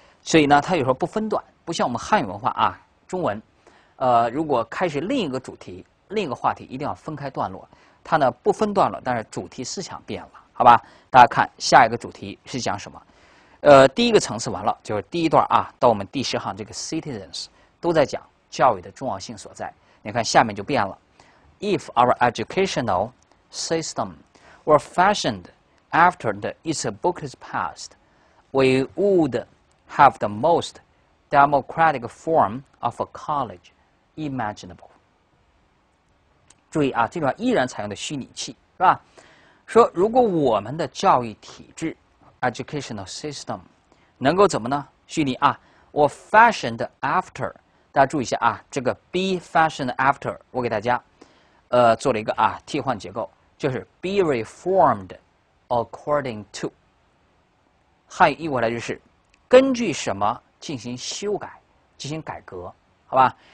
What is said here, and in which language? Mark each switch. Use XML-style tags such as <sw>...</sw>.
<zh>所以呢，它有时候不分段，不像我们汉语文化啊，中文如果开始另一个主题另一个话题，一定要分开段落，它呢不分段落，但是主题思想变了，好吧？大家看下一个主题是讲什么。第一个层次完了，就是第一段啊，到我们第十行这个 citizens 都在讲教育的重要性所在。你看下面就变了，</zh> <en>if our educational system were fashioned after its book is passed, we would have the most democratic form of a college imaginable。</en> <zh>注意啊，这段依然采用的虚拟器，是吧？说如果我们的教育体制 educational system 能够怎么呢？虚拟啊，我 fashioned after， 大家注意一下啊，这个 be fashioned after 我给大家做了一个啊替换结构，就是</zh> <en>be reformed according to，</en> <zh>汉语译过来就是根据什么进行修改进行改革，好吧？</zh>